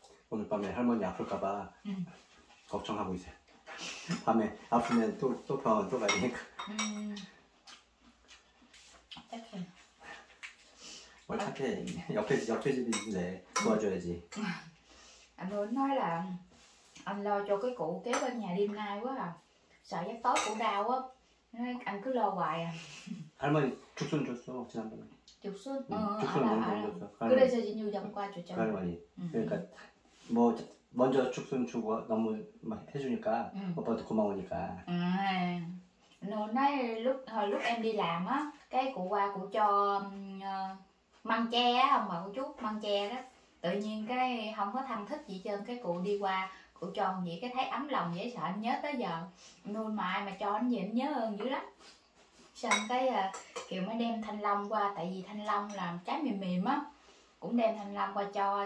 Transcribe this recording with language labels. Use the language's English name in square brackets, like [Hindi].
[Korean] 오늘 밤에 할머니 아플까봐 걱정하고 있어요. 밤에 아프면 또 병원 또 가야 되니까. 뭘 착해. 옆에 집이 있는데 도와줘야지. 안 [Vietnamese] lo cho cái cụ kế bên nhà đêm nay quá à. Sợ giấc tối cụ đau á. Nên anh cứ lo hoài à. [Korean] 할머니 죽순 줬어 지난번에. 죽순? 죽순 먼저 줬어. 그래서 진유 잠깐 줬잖아. 할머니. 그러니까 뭐 먼저 죽순 주고 너무 막 해주니까 오빠도 고마우니까. 오늘 [Vietnamese] lúc em đi làm á, cái cụ qua cụ cho măng tre á, ông bà cụ chú măng tre đó. Tự nhiên cái không có thân thích gì trơn, cái cụ đi qua cụ cho anh vậy, cái thấy ấm lòng dễ sợ, anh nhớ tới giờ. Nuôi mà ai mà cho anh gì anh nhớ ơn dữ lắm. Xong cái kiểu mới đem thanh long qua, tại vì thanh long làm trái mềm mềm á, cũng đem thanh long qua cho.